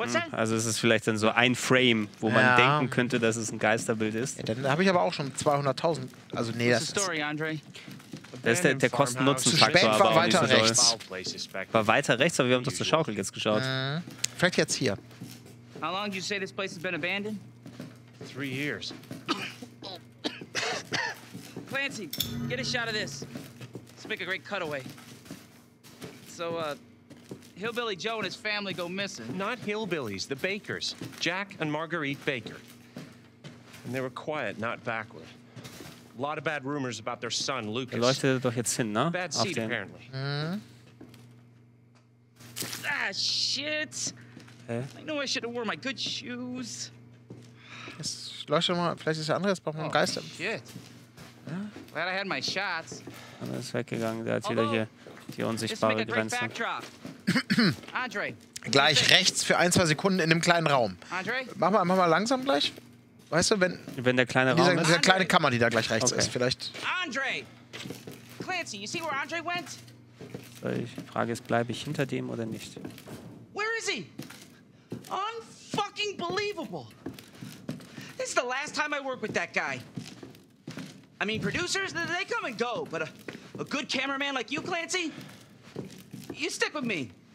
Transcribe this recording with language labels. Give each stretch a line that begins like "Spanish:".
German: Also es ist vielleicht dann so ein Frame, wo man denken könnte, dass es ein Geisterbild ist. Ja, dann habe ich aber auch schon 200.000. Also nee, das ist... Das ist der Kosten-Nutzen-Faktor. Spät war weiter rechts. War weiter rechts, aber wir haben doch zur Schaukel jetzt geschaut. Vielleicht jetzt hier.
English: How long do you say this place has been abandoned? 3 years. Clancy, get a shot of this. Let's make a great cutaway. So, Hillbilly Joe and his family go missing. Not Hillbillies, the Bakers. Jack and Marguerite Baker. And they were quiet, not backward. A lot of bad rumors about their son, Lucas.
German: Er leuchtet doch jetzt hin, ne?
English: Bad seat, apparently. Ah, shit! Hä? I know I should have worn my good shoes.
German: Jetzt leuchtet mal, vielleicht ist der andere, jetzt braucht man einen Geister.
English: Oh, shit. Ja? Glad I had my shots.
German: Dann ist weggegangen, da hat jeder hier die unsichtbare Grenze. Andre. Gleich rechts für ein, zwei Sekunden in einem kleinen Raum. Andre? Mach mal langsam gleich. Weißt du, wenn der kleine Raum ist? Diese kleine Kammer, die da gleich rechts ist, vielleicht.
English: Andre! Clancy, you see where Andre went?
German: So, die Frage ist, bleibe ich hinter dem oder nicht?
English: Where is he? Unfucking believable! This is the last time I work with that guy. I mean, producers, they come and go, but a good cameraman like you, Clancy, you stick with me.